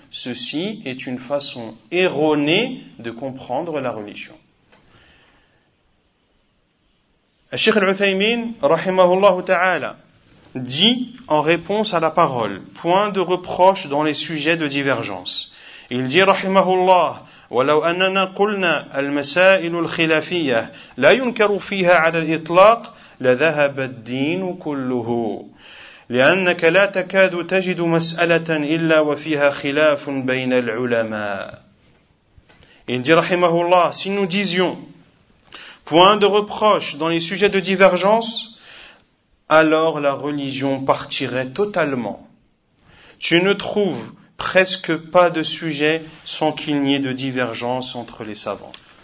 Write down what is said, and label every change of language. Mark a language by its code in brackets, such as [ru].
[fr] Ceci est une façon erronée de comprendre la religion. Cheikh Al-Uthaymin, rahimahullah ta'ala, dit en réponse à la parole, point de reproche dans les sujets de divergence. Il dit, [ar] rahimahullah, ولو أننا قلنا المسائل الخلافية لا ينكر فيها على الإطلاق لذهب الدين كله لأنك لا تكاد تجد مسألة إلا وفيها خلاف بين العلماء. [fr] Il dit رحمه الله, si nous disions point de reproche dans les sujets de divergence, alors la religion partirait totalement. Tu ne trouves presque pas de sujet sans qu'il n'y ait de divergence entre les savants.